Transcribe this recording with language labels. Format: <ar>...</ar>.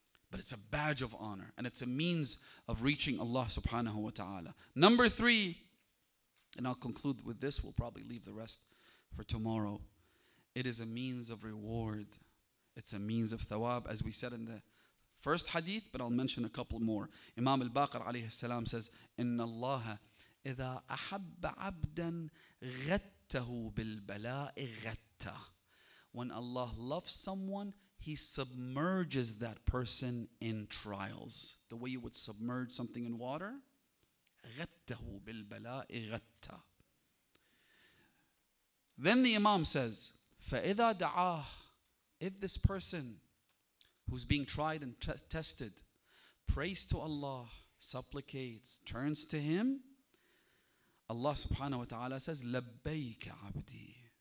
<en>But it's a badge of honor, and it's a means of reaching Allah subhanahu wa ta'ala. Number three, and I'll conclude with this, we'll probably leave the rest for tomorrow. It is a means of reward. It's a means of thawab, as we said in the first hadith, but I'll mention a couple more. Imam al-Baqir alayhi salam says,</en> <ar>إِنَّ اللَّهَ إِذَا أَحَبَّ عَبْدًا غَتَّهُ بِالْبَلَاءِ غَتَّهُ.</ar> <en>When Allah loves someone, He submerges that person in trials. The way you would submerge something in water.</en> <ar>غَتَّهُ بِالْبَلَاءِ غَتَّهُ.</ar> <en>Then the Imam says,</en> <ar>فَإِذَا دَعَاهُ.</ar> <en>If this person who's being tried and tested prays to Allah, supplicates, turns to Him, Allah subhanahu wa ta'ala says,</en> <ar>لَبَّيْكَ عَبْدِي.</ar>